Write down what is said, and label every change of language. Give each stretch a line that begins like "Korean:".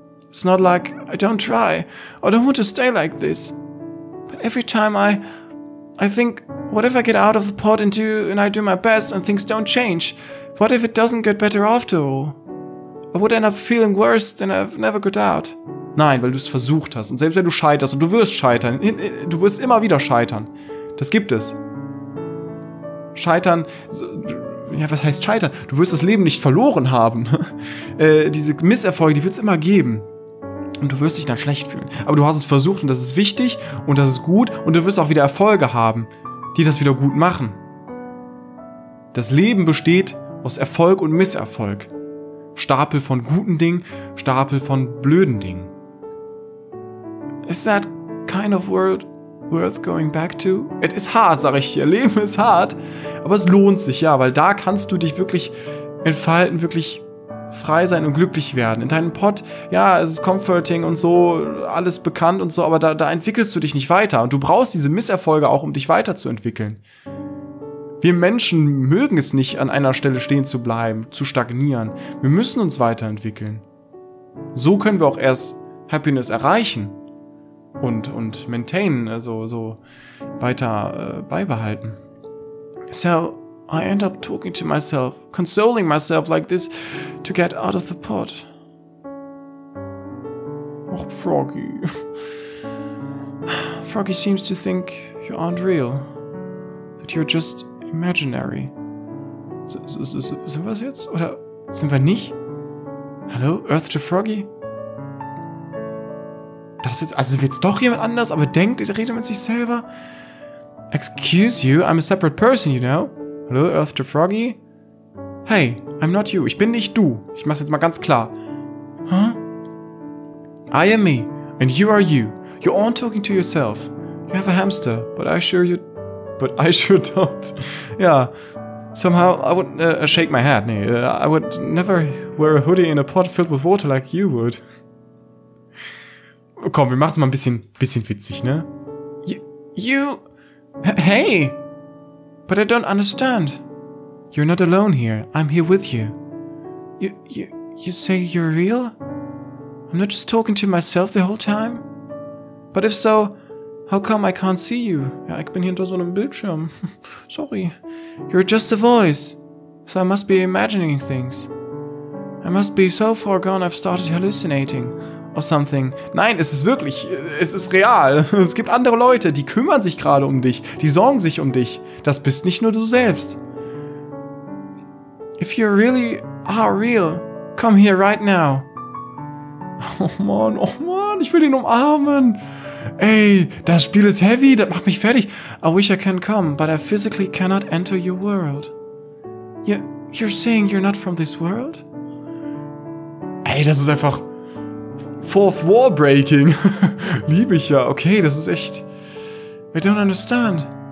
English: It's not like I don't try, or don't want to stay like this. But every time I think, what if I get out of the pot and I do my best and things don't change? What if it doesn't get better after all? I would end up feeling worse than I've never got out.
German: Nein, weil du es versucht hast. Und selbst wenn du scheiterst, und du wirst scheitern, du wirst immer wieder scheitern. Das gibt es. Scheitern, ja, was heißt scheitern? Du wirst das Leben nicht verloren haben. Diese Misserfolge, die wird es immer geben. Und du wirst dich dann schlecht fühlen. Aber du hast es versucht und das ist wichtig und das ist gut. Und du wirst auch wieder Erfolge haben, die das wieder gut machen. Das Leben besteht aus Erfolg und Misserfolg. Stapel von guten Dingen, Stapel von blöden Dingen.
English: Is that kind of world worth going back to? It is hard,
German: sag ich dir. Leben ist hart. Aber es lohnt sich, ja, weil da kannst du dich wirklich entfalten, wirklich frei sein und glücklich werden. In deinem Pott, ja, es ist comforting und so, alles bekannt und so, aber da entwickelst du dich nicht weiter. Und du brauchst diese Misserfolge auch, um dich weiterzuentwickeln. Wir Menschen mögen es nicht, an einer Stelle stehen zu bleiben, zu stagnieren. Wir müssen uns weiterentwickeln. So können wir auch erst Happiness erreichen. Und maintainen, also so weiter beibehalten.
English: So, I end up talking to myself, consoling myself like this to get out of the pot. Oh, Froggy. Froggy seems to think you aren't real. That you're just imaginary.
German: Sind wir es jetzt? Oder sind wir nicht? Hallo,
English: Earth to Froggy?
German: Das jetzt, also wird's doch jemand anders, aber denkt, er redet mit sich selber.
English: Excuse you, I'm a separate person, you know. Hello, Earth to Froggy. Hey, I'm not you.
German: Ich bin nicht du. Ich mach's jetzt mal ganz klar.
English: Huh? I am me, and you are you. You're all talking to yourself. You have a hamster, But I sure don't. Ja. Somehow, I would shake my head. Nee, I would never wear a hoodie in a pot filled with water like you would.
German: Komm, wir machen's mal ein bisschen witzig, ne?
English: Hey! But I don't understand. You're not alone here. I'm here with you. You say you're real? I'm not just talking to myself the whole time? But if so, how come I can't see you?
German: Ja, ich bin hier hinter so einem Bildschirm.
English: Sorry. You're just a voice. So I must be imagining things. I must be so far gone I've started hallucinating. Or something.
German: Nein, es ist wirklich, es ist real. Es gibt andere Leute, die kümmern sich gerade um dich. Die sorgen sich um dich. Das bist nicht nur du selbst.
English: If you really are real, come here right now.
German: Oh Mann, ich will ihn umarmen. Ey, das Spiel ist heavy, das macht mich fertig.
English: I wish I can come, but I physically cannot enter your world. You're saying you're not from this world?
German: Ey, das ist einfach Fourth Wall Breaking. Liebe ich ja. Okay, das ist echt.
English: I don't understand.